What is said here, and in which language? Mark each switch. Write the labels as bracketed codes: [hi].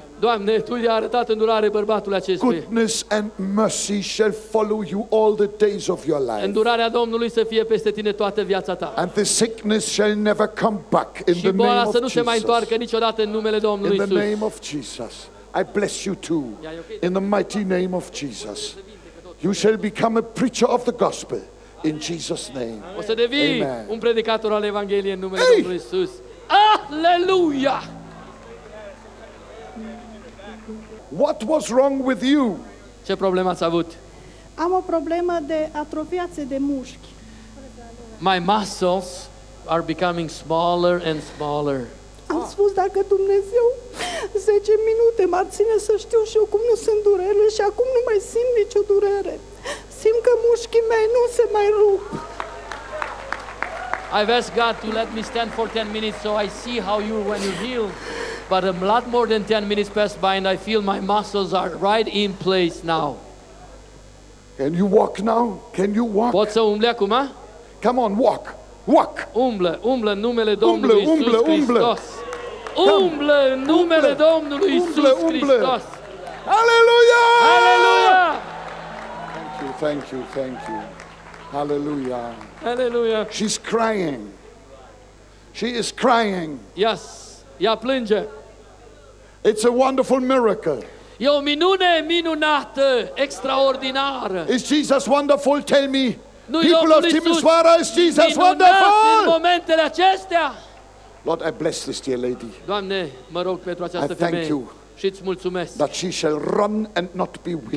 [ro] Doamne, Tu i-ai arătat îndurare bărbatului acestui. [en] Goodness and mercy shall follow you all the days of your life. [ro] Îndurarea Domnului să fie peste tine toată viața ta. [en] And the sickness shall never come back in the name of Jesus. [ro] Și boala să nu se mai întoarcă niciodată în numele Domnului Iisus. [en] In the name of Jesus. I bless you too, in the mighty name of Jesus. You shall become a preacher of the gospel, in Jesus' name. [ro] O să devii un predicator al Evangheliei în numele Domnului Iisus. Aleluia! [en] What was wrong with you? [ro] Ce problemă ați avut? Am o problemă de atrofiație de mușchi. [en] My muscles are becoming smaller and smaller. [ro] Am spus, dacă Dumnezeu 10 minute m-ar ține să știu și eu cum nu sunt durere, și acum nu mai simt nicio durere. Simt că mușchii mei nu se mai rup. [en] I've asked God to let me stand for 10 minutes so I see how you when you heal. But a lot more than 10 minutes passed by and I feel my muscles are right in place now. Can you walk now? Can you walk? [ro] Poți să umbli acum? [en] Come on, walk. Walk. [ro] Umblă, umblă în numele Domnului Iisus Hristos. Umblă, umblă în numele Domnului Iisus Hristos. Aleluia! Aleluia! [en] Thank you, thank you, thank you. [ro] Aleluia. Aleluia. [en] She's crying. She is crying. Yes. [ro] Ea plânge. [en] It's a wonderful miracle. [ro] E o minune minunată, extraordinară. [en] Is Jesus wonderful? Tell me. [ro] Nu, [en] people of Timișoara, is Jesus wonderful? [ro] În momentele acestea. [en] Lord, I bless this dear lady. [ro] Doamne, mă rog pentru această femeie. [en] I thank you. [ro] Și îți mulțumesc. [en] That she shall run and not be weary.